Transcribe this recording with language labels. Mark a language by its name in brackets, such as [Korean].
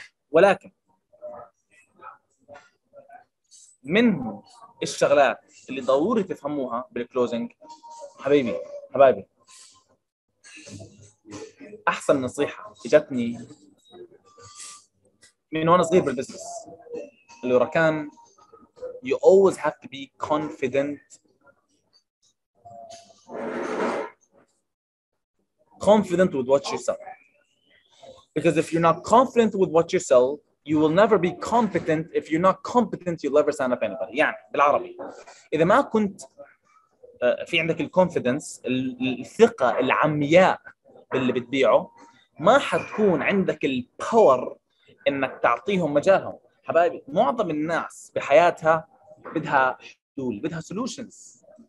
[Arabic] ولكن من الشغلات اللي ضروري تفهموها بالكلوزنج حبيبي حبايبي، احسن نصيحه اجتني من وانا صغير بالبزنس اللي ركان [English] you always have to be confident. Confident with what you sell. Because if you're not confident with what you sell, you will never be competent. If you're not competent, you'll never sign up anybody. [Arabic] يعني بالعربي. إذا ما كنت في عندك الconfidence, الثقة العمياء باللي بتبيعه, ما حتكون عندك الpower إنك تعطيهم مجالهم. حبايبي, معظم الناس بحياتها بدها حلول, بدها solutions.